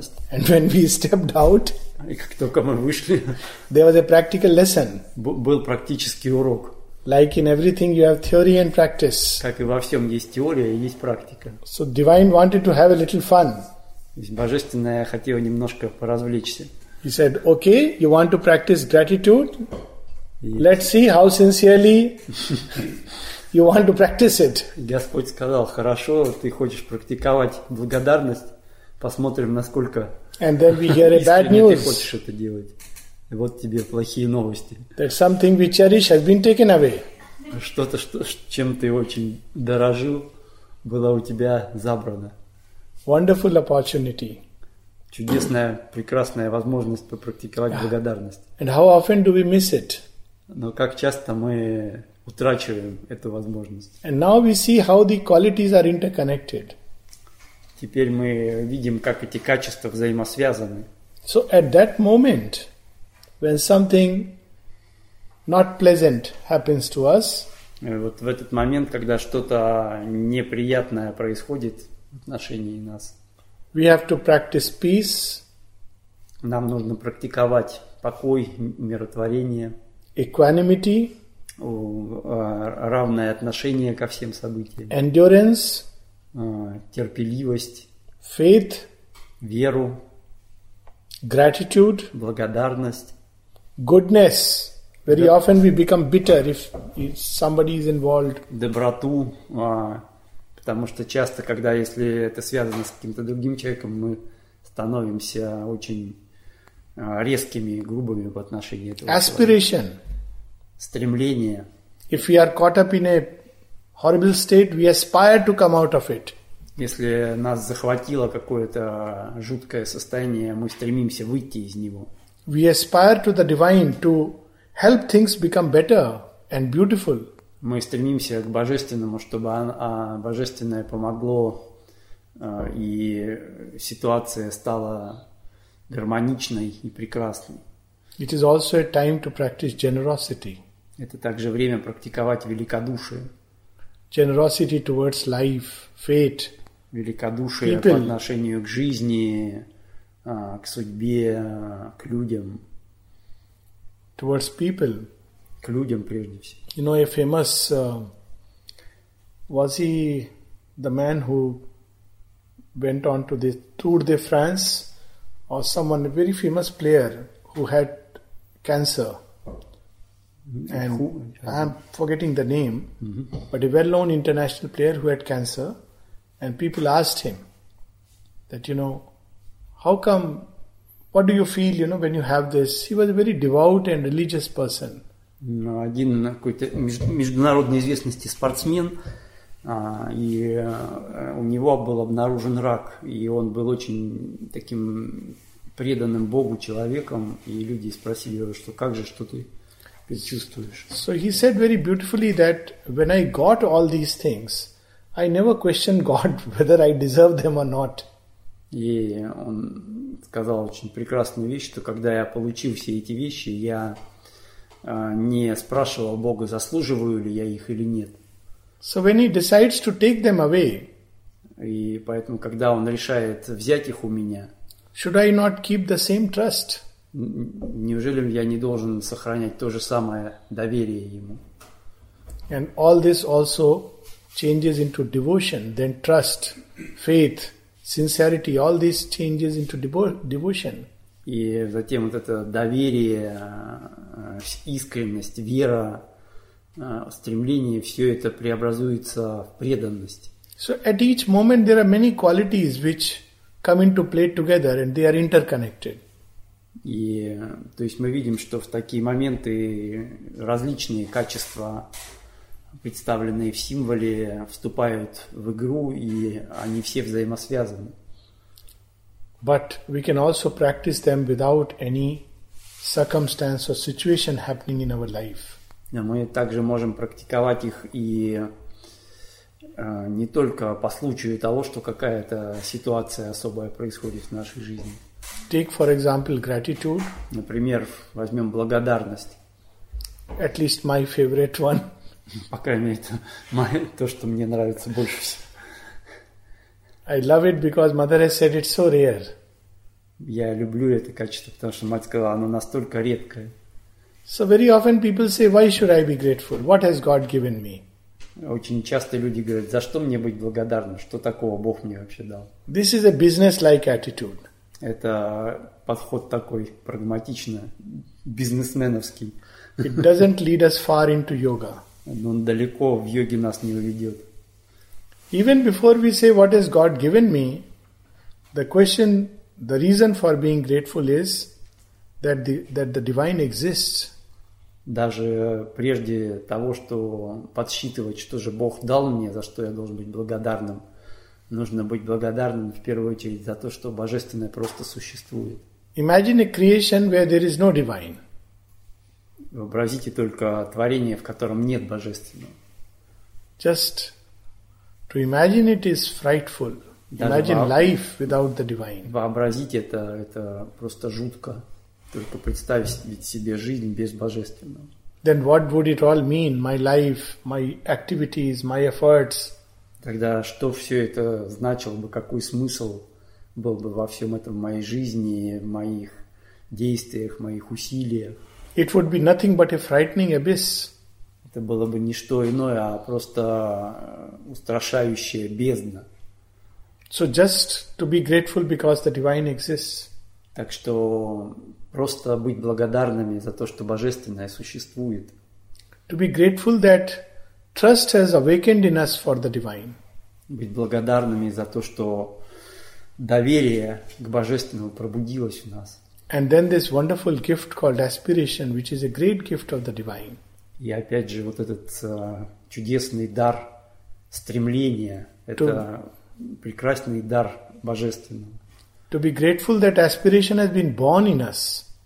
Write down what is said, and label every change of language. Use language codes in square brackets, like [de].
[en] And when we stepped out, [ru] и как только мы вышли, [en] there was a practical lesson. [ru] Был практический урок. [en] Like in everything, you have theory and practice. [ru] Как и во всем есть теория и есть практика. [en] So divine wanted to have a little fun. [ru] Божественное хотело немножко поразвлечься. [en] He said, "Okay, you want to practice gratitude? Let's see how sincerely you want to practice it." [ru] Господь сказал: "Хорошо, ты хочешь практиковать благодарность." Посмотрим, насколько искренне ты хочешь это делать. И вот тебе плохие новости. [en] That something we cherish has been taken away. [ru] Что-то, что, чем ты очень дорожил, было у тебя забрано. [en] Wonderful opportunity. [ru] Чудесная, прекрасная возможность попрактиковать благодарность. [en] And how often do we miss it? [ru] Но как часто мы утрачиваем эту возможность. [en] And now we see how the qualities are interconnected. [ru] Теперь мы видим, как эти качества взаимосвязаны. [en] So at that moment, when something not pleasant happens to us, [ru] вот в этот момент, когда что-то неприятное происходит в отношении нас, [en] we have to practice peace. [ru] Нам нужно практиковать покой, миротворение, [en] equanimity, [ru] равное отношение ко всем событиям, [en] endurance. [ru] Терпеливость, [en] faith, [ru] веру, [en] gratitude, [ru] благодарность, [en] goodness. Very often we become bitter if somebody is involved. [ru] Доброту, потому что часто, когда если это связано с каким-то другим человеком, мы становимся очень резкими, грубыми в отношении этого. [en] Aspiration. [ru] Человека. Стремление. [en] If we are caught up in a horrible state, we aspire to come out of it. [ru] Если нас захватило какое-то жуткое состояние, мы стремимся выйти из него. [en] We aspire to the divine to help things become better and beautiful. [ru] Мы стремимся к божественному, чтобы божественное помогло и ситуация стала гармоничной и прекрасной. [en] It is also a time to practice generosity. [ru] Это также время практиковать великодушие. [en] Generosity towards life, fate, [ru] великодушие [en] people. [ru] По отношению к жизни, к судьбе, к людям. [en] Towards people. [ru] К людям прежде всего. [en] You know, a famous... was he the man who went on to the Tour de France? Or someone, a very famous player who had cancer? And I'm forgetting the name, but a well-known international player who had cancer, and people asked him that, you know, how come, what do you feel, you know, when you have this? He was a very devout and religious person. [ru] Один какой-то международной известности спортсмен, и у него был обнаружен рак, и он был очень таким преданным Богу человеком, и люди спросили его, что как же, что ты. [en] So he said very beautifully that when I got all these things, I never questioned God whether I deserve them or not. [ru] И он сказал очень прекрасную вещь, что когда я получил все эти вещи, я не спрашивал Бога, заслуживаю ли я их или нет. [en] So when he decides to take them away, [ru] и поэтому, когда он решает взять их у меня, [en] should I not keep the same trust? [ru] Неужели я не должен сохранять то же самое доверие ему? [en] And all this also changes into devotion, then trust, faith, sincerity, all these changes into devotion. [ru] И затем вот это доверие, искренность, вера, стремление, все это преобразуется в преданность. [en] So at each moment there are many qualities which come into play together and they are interconnected. [ru] И то есть мы видим, что в такие моменты различные качества, представленные в символе, вступают в игру, и они все взаимосвязаны. [en] But we can also practice them without any circumstance or situation happening in our life. [ru] Мы также можем практиковать их и не только по случаю того, что какая-то ситуация особая происходит в нашей жизни. [en] Take, for example, gratitude. [ru] Например, возьмем благодарность. [en] At least my favorite one. [ru] По крайней мере, это то, что мне нравится больше всего. [en] I love it because mother has said it's so rare. [ru] Я люблю это качество, потому что мать сказала, оно настолько редкое. [en] So very often people say, why should I be grateful? What has God given me? [ru] Очень часто люди говорят, за что мне быть благодарным? Что такого Бог мне вообще дал? [en] This is a business-like attitude. [ru] Это подход такой прагматичный, бизнесменовский. [en] It doesn't lead us far into yoga. [ru] Но он далеко в йоге нас не уведет. [en] Even before we say, what has God given me, the question, the reason for being grateful is that the divine exists. [ru] Даже прежде того, что подсчитывать, что же Бог дал мне, за что я должен быть благодарным, нужно быть благодарным в первую очередь за то, что Божественное просто существует. [en] Imagine a creation where there is no divine. [ru] Вообразите только творение, в котором нет Божественного. [en] Just to imagine it is frightful. Imagine life without the divine. [ru] Вообразить это просто жутко. Только представить себе жизнь без Божественного. [en] Then what would it all mean? My life, my activities, my efforts. [ru] Тогда что все это значило бы, какой смысл был бы во всем этом в моей жизни, в моих действиях, в моих усилиях? [en] It would be nothing but a frightening abyss. [ru] Это было бы не что иное, а просто устрашающая бездна. [en] So just to be grateful because the divine exists. [ru] Так что просто быть благодарными за то, что Божественное существует. [en] To be grateful that trust has awakened in us for the divine. [ru] Быть благодарными за то, что доверие к Божественному пробудилось в нас. [en] And then this wonderful gift called aspiration, which is a great gift of the divine. [ru] И опять же вот этот чудесный дар стремления, это прекрасный дар Божественного. [en] To be grateful that aspiration has been born in us.